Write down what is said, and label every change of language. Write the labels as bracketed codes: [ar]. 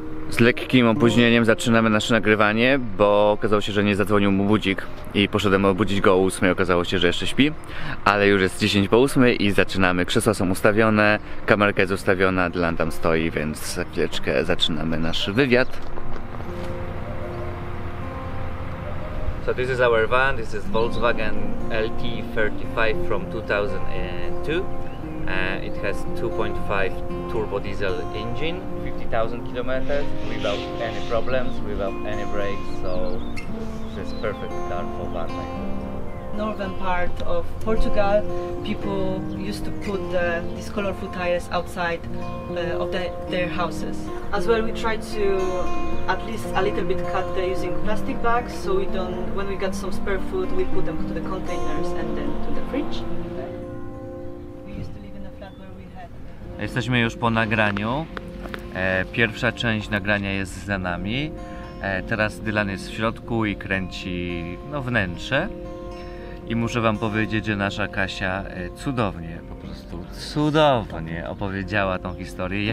[pl] Z lekkim opóźnieniem zaczynamy nasze nagrywanie, bo okazało się, że nie zadzwonił mu budzik i poszedłem obudzić go o 8, okazało się, że jeszcze śpi, ale już jest 10 po 8 i zaczynamy. Krzesła są ustawione, kamerka jest ustawiona, Dylan tam stoi, więc za chwileczkę zaczynamy nasz wywiad. [en] So this is our van, this is Volkswagen LT35 from 2002. It has 2.5 turbo diesel engine, 50,000 kilometers without any problems, without any brakes, so this is perfect car for van life. Northern part of Portugal, people used to put these colorful tires outside of their houses. As well, we tried to at least a little bit cut the using plastic bags, so we don't. When we got some spare food, we put them to the containers and then to the fridge. We used to live in a flat where we had. [pl] Jesteśmy już po nagraniu. Pierwsza część nagrania jest za nami. Teraz Dylan jest w środku i kręci wnętrze. I muszę wam powiedzieć, że nasza Kasia cudownie, po prostu cudownie opowiedziała tą historię.